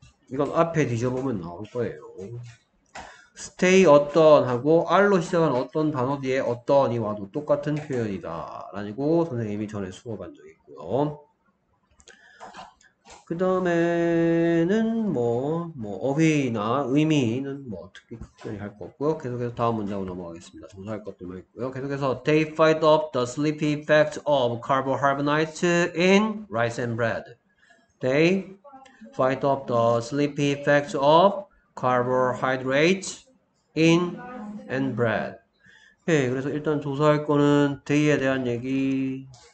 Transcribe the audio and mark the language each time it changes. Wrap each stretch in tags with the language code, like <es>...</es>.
<ko>이건 앞에 뒤져보면 나올 거예요. stay 어떤 하고 R로 시작한 어떤 단어 뒤에 어떤이 와도 똑같은 표현이다 라고 선생님이 전에 수업한 적이 있고요. 그 다음에는 뭐 어휘나 의미는 뭐 특히 특별히 할거 없고요. 계속해서 다음 문장으로 넘어가겠습니다. 정리할 것도 있고요. 계속해서</ko> <en>They fight off the sleepy effects of carbohydrates in rice and bread. They fight off the sleepy effects of carbohydrates in and bread.</en> <ko>예, 그래서 일단 조사할 거는 데이에 대한 얘기.</ko>